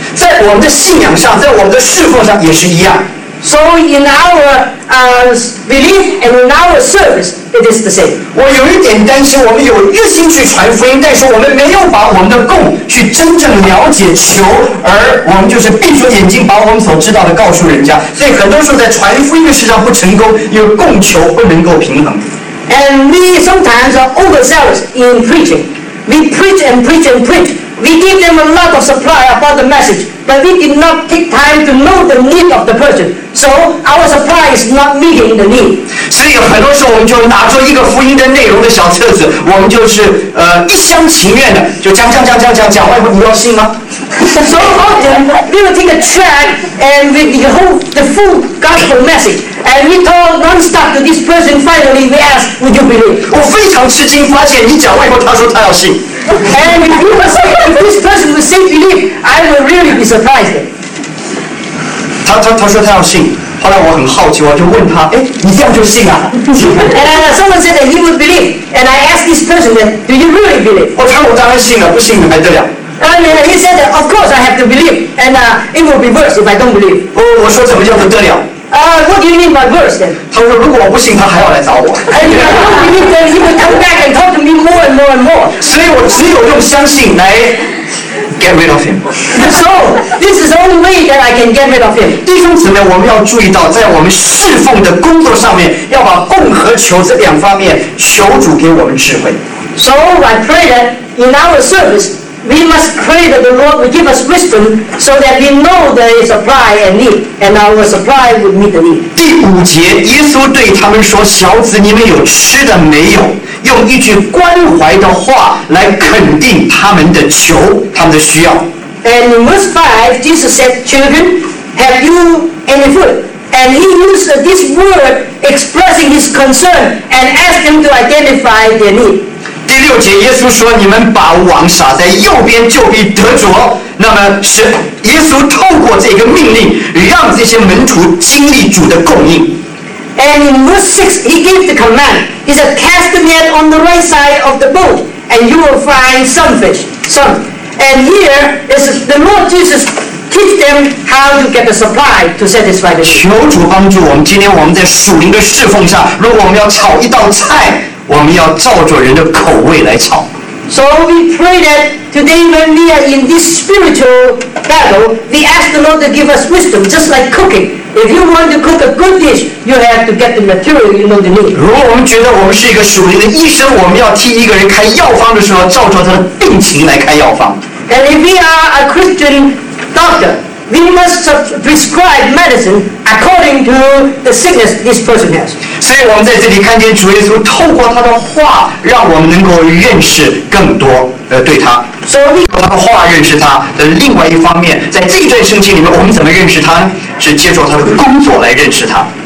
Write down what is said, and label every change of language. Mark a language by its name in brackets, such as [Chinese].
[Chinese] 在我们的信仰上，在我们的侍奉上也是一样。 [English] So in our belief and in our service, it is the same. [Chinese] 我有一点担心，我们有热心去传福音，但是我们没有把我们的供去真正了解求，而我们就是闭着眼睛把我们所知道的告诉人家。所以很多时候在传福音的事上不成功，因为供求不能够平衡。 [English] And we sometimes are overzealous in preaching. We preach and preach and preach. We give them a lot of supply about the message. But we did not take time to know the need of the person. So our supply is not meeting the need. [Chinese] 所以很多时候我们就拿出一个福音的内容的小册子，我们就是一厢情愿的就讲外国你要信吗？ [English] So often we will take a track and we hold the full gospel message and we talk non-stop to this person. Finally, we ask, "Would you believe?" [Chinese] 我非常吃惊，发现你讲外国，他说他要信。 [English] And if you will say, if this person will say believe, I will really be surprised. [Chinese] 他说他要信。后来我很好奇，我就问他，哎，你这样就信啊？ [English] And someone said that he would believe. And I asked this person, "Do you really believe?" [Chinese] 我说我当然信了，不信还得了。 [English] And then he said, "Of course, I have to believe, and it will be worse if I don't believe." [Chinese] 我说怎么叫不得了？ [English] What do you mean by worse then? [Chinese] 他说如果我不信，他还要来找我。 [English] And if I don't believe, then he will come back and talk to me more and more and more. [Chinese] 所以我只有用相信来 [English] get rid of him. So this is the only way that I can get rid of him. [Chinese] 弟兄姊妹，我们要注意到，在我们侍奉的工作上面，要把供和求这两方面求主给我们智慧。 [English] So I pray that in our service. We must pray that the Lord will give us wisdom so that we know there is supply and need, and our supply will meet the need. [Chinese] 第五节，耶稣对他们说：“小子，你们有吃的没有？” 用一句关怀的话来肯定他们的求，他们的需要。 [English] And in verse 5, Jesus said, "Children, have you any food?" And he used this word expressing his concern and asked them to identify their need. [Chinese] 第六节，耶稣说：“你们把网撒在右边，就必得着。” 那么是耶稣透过这个命令，让这些门徒经历主的供应。 [English] And in verse 6, he gave the command. He said, "Cast the net on the right side of the boat, and you will find some fish." Some. And here is the Lord Jesus teach them how to get the supply to satisfy the need. [Chinese] 求主帮助我们。今天我们在属灵的侍奉上，如果我们要炒一道菜。我们要照着人的口味来炒。 [English] So we pray that today when we are in this spiritual battle, we ask the Lord to give us wisdom, just like cooking. If you want to cook a good dish, you have to get the material you know the need. [Chinese] 如果我们觉得我们是一个属灵的医生，我们要替一个人开药方的时候，照着他的病情来开药方。 [English] And if we are a Christian doctor, we must prescribe medicine according to the sickness this person has. [Chinese] 所以我们在这里看见主耶稣透过他的话，让我们能够认识更多，对他。所以通过他的话认识他的另外一方面，在这一段圣经里面，我们怎么认识他呢？是借助他的工作来认识他。